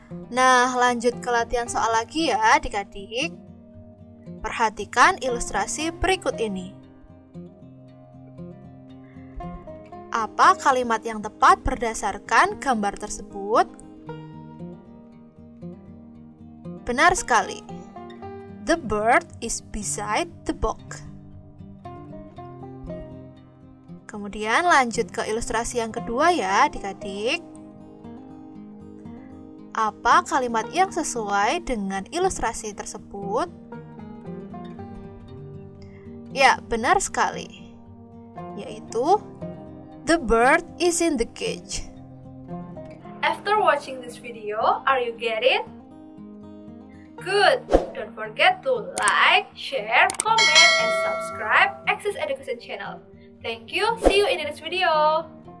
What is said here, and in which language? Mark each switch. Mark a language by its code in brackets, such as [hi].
[id] Nah, lanjut ke latihan soal lagi ya adik-adik. Perhatikan ilustrasi berikut ini. Apa kalimat yang tepat berdasarkan gambar tersebut? Benar sekali. [en] The bird is beside the book. [id] Kemudian lanjut ke ilustrasi yang kedua ya adik-adik. Apa kalimat yang sesuai dengan ilustrasi tersebut? Ya, benar sekali. Yaitu [en] the bird is in the cage. After watching this video, are you get it? Good! Don't forget to like, share, comment, and subscribe Access Education Channel. Thank you! See you in the next video!